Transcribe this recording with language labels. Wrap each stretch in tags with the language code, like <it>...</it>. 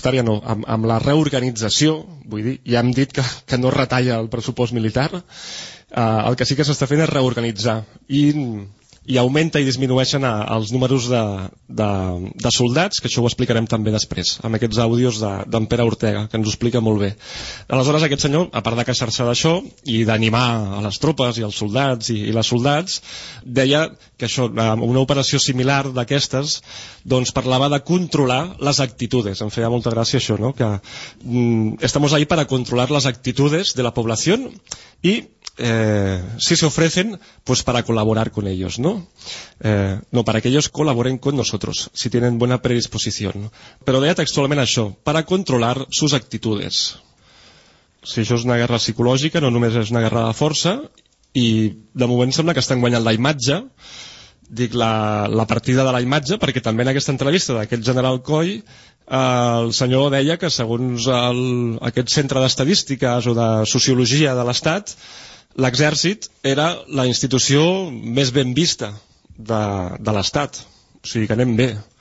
<ca>amb la reorganització, vull dir, ja hem dit que no retalla el pressupost militar, el que sí que s'està fent és reorganitzar i augmenta i disminueixen els números de soldats, que això ho explicarem també després, amb aquests àudios d'en Pere Ortega, que ens ho explica molt bé. Aleshores, aquest senyor, a part de queixar-se d'això i d'animar a les tropes i als soldats i les soldats, deia que això, una operació similar d'aquestes, doncs parlava de controlar les actitudes. Em feia molta gràcia això, no?</ca> <es>Que estamos ahí para controlar las actitudes de la población y si se ofrecen, pues para colaborar con ellos, ¿no? No, para que ellos colaboren con nosotros, si tienen buena predisposición.</es> <ca>Però deia textualment això,</ca> <es>para controlar sus actitudes.</es> <ca>Si això és una guerra psicològica, no només és una guerra de força, i de moment sembla que estan guanyant la imatge, dic la partida de la imatge, perquè també en aquesta entrevista d'aquest general Coll, el senyor deia que segons aquest centre d'estadístiques o de sociologia de l'Estat, l'exèrcit era la institució més ben vista de l'Estat. O sigui que anem bé.</ca>